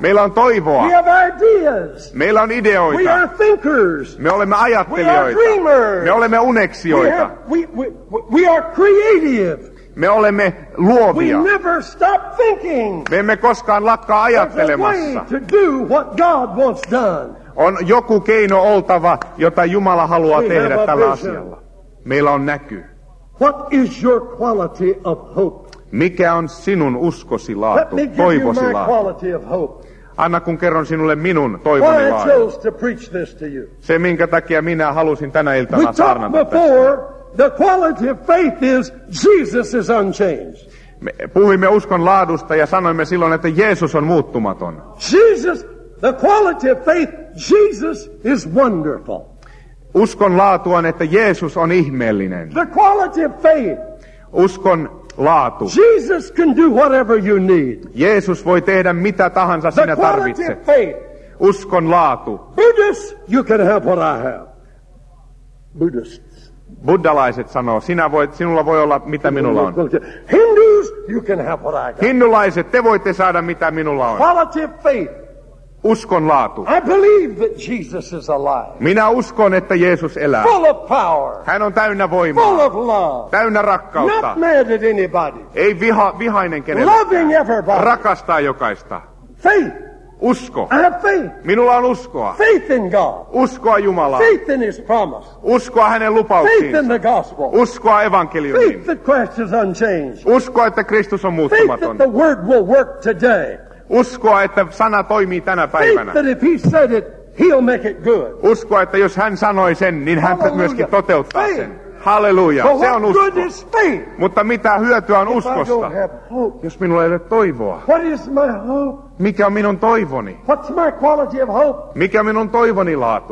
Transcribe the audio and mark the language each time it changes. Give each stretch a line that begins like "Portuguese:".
Finnish: Meillä on toivoa.
English: We have ideas.
Finnish: Meillä on ideoita.
English: We are thinkers.
Finnish: Me olemme ajattelijoita.
English: We are dreamers.
Finnish: Me olemme uneksijoita.
English: We are creative.
Finnish: Me olemme luovia.
English: We never stop thinking.
Finnish: Me emme koskaan lakkaa ajattelemassa.
English: There's a way to do what God wants done.
Finnish: On joku keino oltava, jota Jumala haluaa tehdä tällä asialla. Meillä on näky.
English: What is your quality of hope?
Finnish: Mikä on sinun uskosi laatu, toivosi laatu? Anna kun kerron sinulle minun toivoni laatu. Se minkä takia minä halusin tänä iltana saarnata tästä.
English: The quality of faith is Jesus is unchanged.
Finnish: Me puhuimme uskon laadusta ja sanoimme silloin, että Jeesus on muuttumaton.
English: Jesus, the quality of faith, Jesus is wonderful.
Finnish: Uskon laatu on, että Jeesus on ihmeellinen.
English: The quality of faith.
Finnish: Uskon laatu.
English: Jesus can do whatever you need.
Finnish: Jeesus voi tehdä mitä tahansa sinä tarvitset.
English: The quality of faith.
Finnish: Uskon laatu.
English: Buddhist, you can have what I have. Buddhist.
Finnish: Buddhalaiset sanoo, sinä voit, sinulla voi olla mitä minulla on.
English: Hindus, you can have what I got.
Finnish: Hindulaiset, te voitte saada mitä minulla on.
English: Quality of faith.
Finnish: Uskon laatu.
English: I believe that Jesus is alive.
Finnish: Minä uskon, että Jeesus elää.
English: Full of power.
Finnish: Hän on täynnä voimaa.
English: Full of love.
Finnish: Täynnä rakkautta.
English: Not mad at anybody.
Finnish: Ei vihainen kenellekään.
English: Loving everybody.
Finnish: Rakastaa jokaista.
English: Faith.
Finnish: Usko.
English: I have faith.
Finnish: Minulla on uskoa.
English: Faith in God.
Finnish: Uskoa Jumalaa.
English: Faith in his promise.
Finnish: Uskoa hänen lupauksiinsa.
English: Faith in the gospel.
Finnish: Uskoa evankeliumiin.
English: Faith that Christ is unchanged.
Finnish: Uskoa, että Kristus on muuttumaton.
English: Faith that the word will work today.
Finnish: Uskoa, että sana toimii tänä päivänä.
English: Faith that if he said it, he'll make it good.
Finnish: Uskoa, että jos hän sanoi sen, niin hän
English: Hallelujah.
Finnish: Myöskin toteuttaa
English: faith.
Finnish: Sen. Halleluja,
English: so
Finnish: se on usko.
English: Good is faith?
Finnish: Mutta mitä hyötyä on
English: if
Finnish: uskosta?
English: I don't have hope,
Finnish: jos minulla ei ole toivoa.
English: What is my hope?
Finnish: Mikä on minun toivoni?
English: What's my quality of hope?
Finnish: Mikä minun toivoni laatu?